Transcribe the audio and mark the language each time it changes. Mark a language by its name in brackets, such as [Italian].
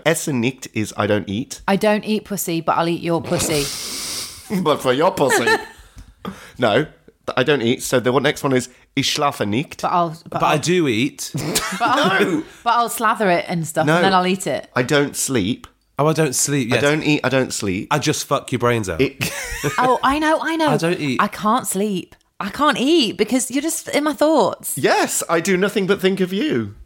[German] essen nicht [English] is I don't eat. I don't eat pussy, but I'll eat your pussy. But for your pussy. No, I don't eat. So the next one is, [German] ich schlafe nicht. [English] But I do eat. But no. But I'll slather it and stuff, no, and then I'll eat it. I don't sleep. Oh, I don't sleep. Yes. I don't eat. I don't sleep. I just fuck your brains out. Oh, I know. I know. I don't eat. I can't sleep. I can't eat because you're just in my thoughts. Yes, I do nothing but think of you.